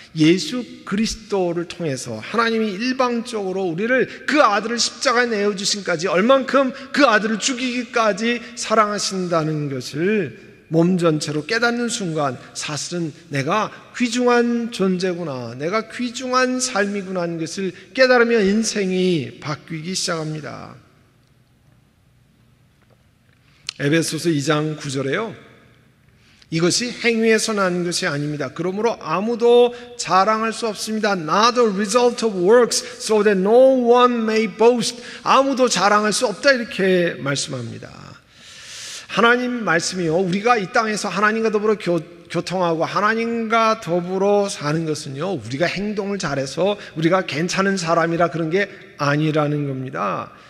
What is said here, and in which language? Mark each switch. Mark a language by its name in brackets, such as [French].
[Korean] 예수 그리스도를 통해서 하나님이 일방적으로 우리를 그 아들을 십자가에 내어주신까지 얼만큼 그 아들을 죽이기까지 사랑하신다는 것을 몸 전체로 깨닫는 순간 사실은 내가 귀중한 존재구나, 내가 귀중한 삶이구나 하는 것을 깨달으면 인생이 바뀌기 시작합니다. 에베소서 2장 9절에요, 이것이 행위에서 난 것이 아닙니다. 그러므로 아무도 자랑할 수 없습니다. [English] Not the result of works, so that no one may boast. [Korean] 아무도 자랑할 수 없다, 이렇게 말씀합니다. 하나님 말씀이요, 우리가 이 땅에서 하나님과 더불어 교통하고 하나님과 더불어 사는 것은요, 우리가 행동을 잘해서 우리가 괜찮은 사람이라 그런 게 아니라는 겁니다.